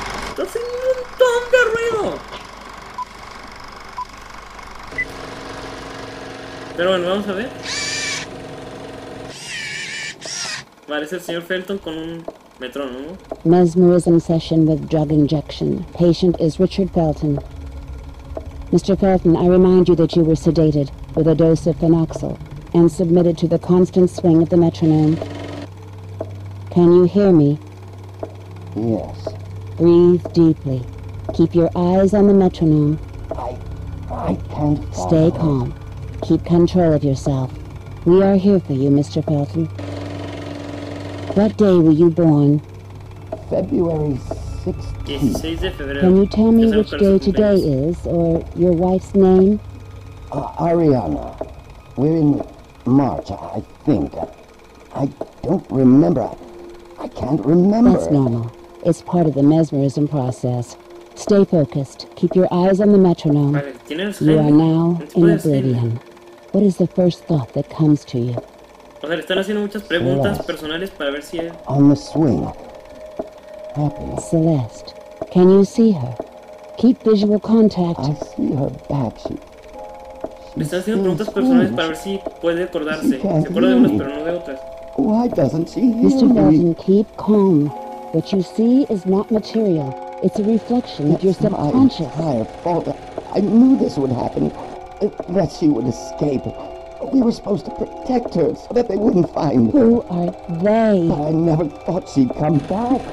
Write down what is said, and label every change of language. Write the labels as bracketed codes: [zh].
[es] ¡Está haciendo un montón de ruido! Pero bueno, vamos a ver. Parece el señor Felton con un... metrónomo. [en] Mesmerism session with drug injection. Patient is Richard Felton. Mr. Felton, I remind you that you were sedated with a dose of phenoxyl and submitted to the constant swing of the metronome. Can you hear me? Yes. Breathe deeply. Keep your eyes on the metronome. I can't follow. Stay calm. Keep control of yourself. We are here for you, Mr. Felton. What day were you born? February 16th. Can you tell me which day today is, or your wife's name? Ariana. We're in March, I think. I don't remember. I can't remember. That's normal. It's part of the mesmerism process. Stay focused. Keep your eyes on the metronome. You are now in oblivion. What is the first thought that comes to you? [es] O sea, le están haciendo muchas preguntas Celeste. Personales para ver si [en] es... On the swing. Happy. Celeste, can you see her? Keep visual contact. I see her back. She... [es] Le están haciendo preguntas personales para ver si puede acordarse. Se acuerda de unas, pero no de otras. [en] Why doesn't she hear me? Mr. Felton, keep calm. What you see is not material. It's a reflection That's of your subconscious. That's my entire fault. I knew this would happen. That she would escape. We were supposed to protect her so that they wouldn't find her. Who are they? But I never thought she'd come back.